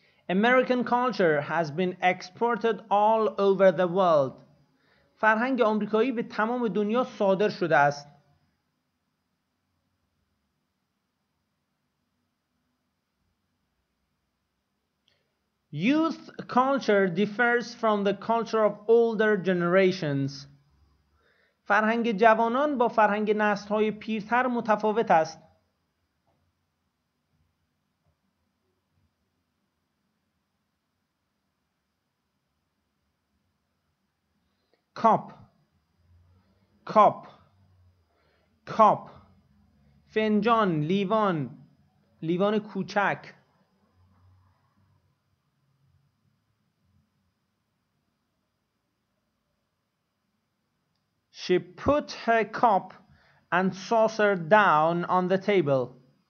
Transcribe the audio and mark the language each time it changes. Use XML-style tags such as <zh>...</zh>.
<en>American culture has been exported all over the world.</en> <fa>فرهنگ آمریکایی به تمام دنیا صادر شده است.</fa> <en>Youth culture differs from the culture of older generations.</en> <fa>فرهنگ جوانان با فرهنگ نسل‌های پیرتر متفاوت است. کاپ کاپ کاپ فنجان لیوان لیوان کوچک</fa> <en>She put her cup and saucer down on the table.</en>